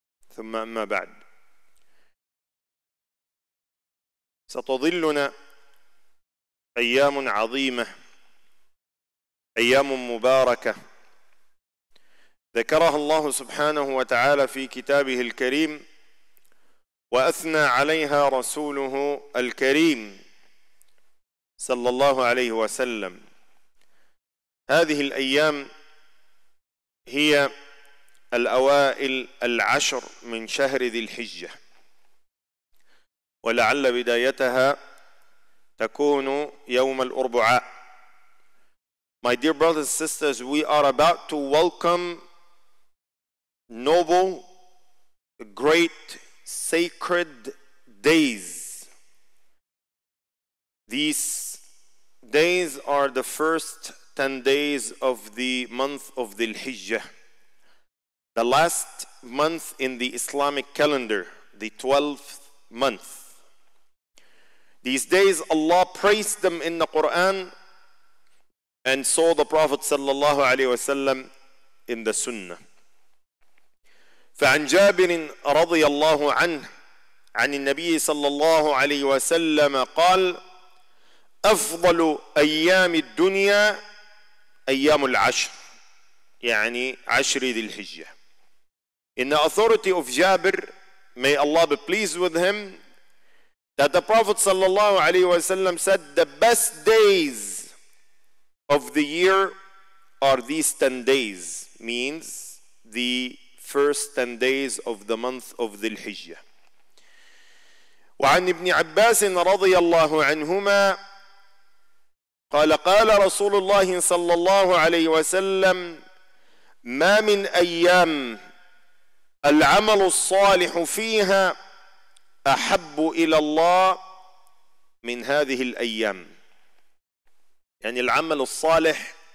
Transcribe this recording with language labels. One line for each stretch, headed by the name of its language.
Arabic: ثم أما بعد، ستظلنا أيام عظيمة، أيام مباركة ذكرها الله سبحانه وتعالى في كتابه الكريم وأثنى عليها رسوله الكريم صلى الله عليه وسلم. هذه الأيام هي الأوائل العشر من شهر ذي الحجة، ولعل بدايتها تكون يوم الأربعاء.
English: My dear brothers and sisters, we are about to welcome noble, great, sacred days. These days are the first 10 days of the month of Dhul Hijjah, the last month in the Islamic calendar, the 12th month. These days Allah praised them in the Quran and saw the Prophet sallallahu alaihi wasallam in the Sunnah.
Arabic: فعن جابر رضي الله عنه عن النبي صلى الله عليه وسلم قال أفضل أيام الدنيا أيام العشر، يعني عشر ذي الحجة.
English: In the authority of Jabir, may Allah be pleased with him, that the Prophet
Arabic: صلى الله عليه وسلم
English: said the best days of the year are these 10 days, means the first 10 days of the month of Dhul Hijjah.
Arabic: وعن ابن عباس رضي الله عنهما قال قال رسول الله صلى الله عليه وسلم ما من أيام العمل الصالح فيها أحب إلى الله من هذه الأيام، يعني العمل الصالح